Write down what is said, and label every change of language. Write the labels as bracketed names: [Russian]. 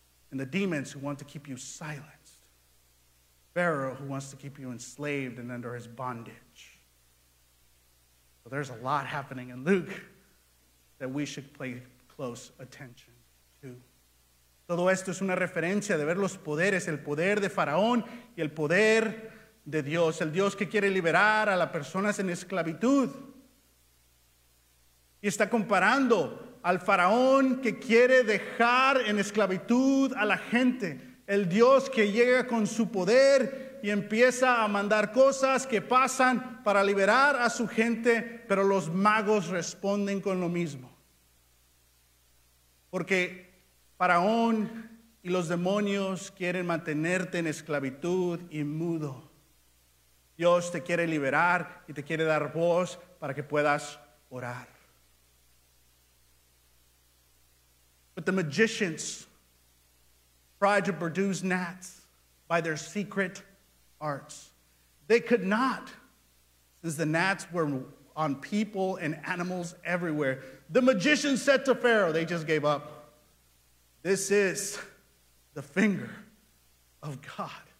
[English] And the demons who want to keep you silenced. Pharaoh who wants to keep you enslaved and under his bondage. So there's a lot happening in Luke that we should pay close attention to. [Spanish] Todo esto es una referencia de ver los poderes, el poder de Faraón y el poder de Dios, el Dios que quiere liberar a las personas en esclavitud. Y está comparando al faraón que quiere dejar en esclavitud a la gente, el Dios que llega con su poder y empieza a mandar cosas que pasan para liberar a su gente, pero los magos responden con lo mismo. Porque faraón y los demonios quieren mantenerte en esclavitud y mudo. Dios te quiere liberar y te quiere dar voz para que puedas orar. [English] But the magicians tried to produce gnats by their secret arts. They could not, since the gnats were on people and animals everywhere. The magician said to Pharaoh, they just gave up. This is the finger of God.